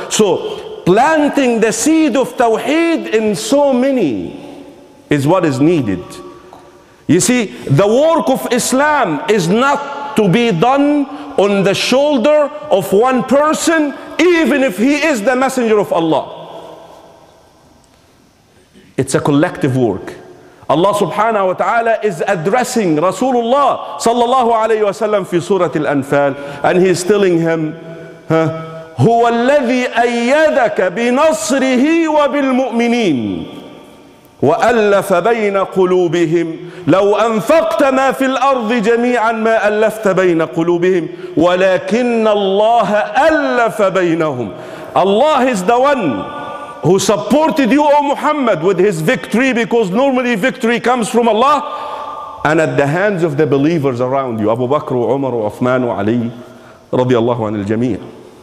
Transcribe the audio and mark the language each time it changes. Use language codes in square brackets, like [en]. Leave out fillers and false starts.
[en] So planting the seed of Tawheed in so many is what is needed. You see, the work of Islam is not to be done on the shoulder of one person, even if he is the messenger of Allah. It's a collective work. Allah subhanahu wa ta'ala is addressing Rasulullah sallallahu alayhi wa sallam fi Surah Al-Anfal, and he is telling him, [ar] هو الذي أيدك بنصره وبالمؤمنين وألف بين قلوبهم لو أنفقت ما في الأرض جميعا ما ألفت بين قلوبهم ولكن الله ألف بينهم. [en] Allah is the one who supported you, O Muhammad, with his victory, because normally victory comes from Allah and at the hands of the believers around you, Abu Bakr, Umar, Uthman, Ali, [ar] رضي الله عن الجميع.